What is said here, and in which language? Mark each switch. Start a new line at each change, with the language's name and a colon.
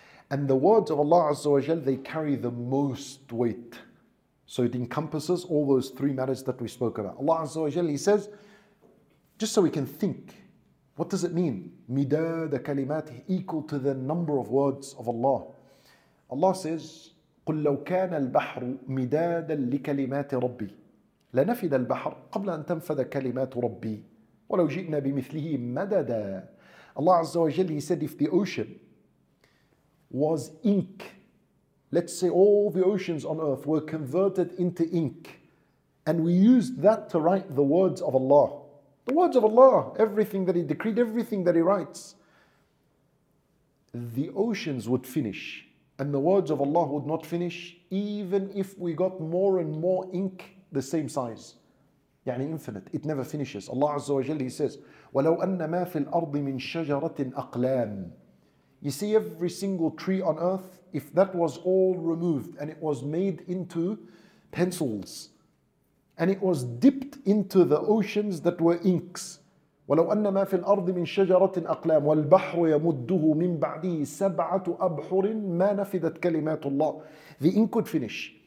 English: And the words of Allah Azza wa Jal, they carry the most weight. So it encompasses all those three matters that we spoke about. Allah Azza wa Jal, He says, just so we can think, what does it mean?
Arabic: مِدَادَ كَلِمَاتِهِ,
English: equal to the number of words of Allah. Allah says,
Arabic: قُلْ لَوْ كَانَ الْبَحْرُ مِدَادًا لِكَلِمَاتِ رَبِّي لَنَفِدَ الْبَحْرُ قَبْلَ أَنْ تَنْفَدَ كَلِمَاتُ رَبِّي وَلَوْ جِئْنَا بِمِثْلِهِ مَدَدًا.
English: Allah Azza wa Jal, He said, if the ocean was ink, let's say all the oceans on earth were converted into ink, and we used that to write the words of Allah. The words of Allah, everything that He decreed, everything that He writes. The oceans would finish, and the words of Allah would not finish, even if we got more and more ink the same size. يعني infinite, it never finishes.
Arabic: Allah Azza wa Jalla,
English: He says,
Arabic: وَلَوْ أَنَّ مَا فِي الْأَرْضِ مِنْ شَجَرَةٍ أَقْلَامٍ.
English: You see, every single tree on earth, if that was all removed and it was made into pencils and it was dipped into the oceans that were inks.
Arabic: وَلَوْ أَنَّ مَا فِي الْأَرْضِ مِنْ شَجَرَةٍ أَقْلَامٍ وَالْبَحْرُ يَمُدُّهُ مِنْ بَعْدِهِ سَبْعَةُ أَبْحُرٍ مَا نَفِدَتْ كَلِمَاتُ اللَّهِ.
English: The ink would finish.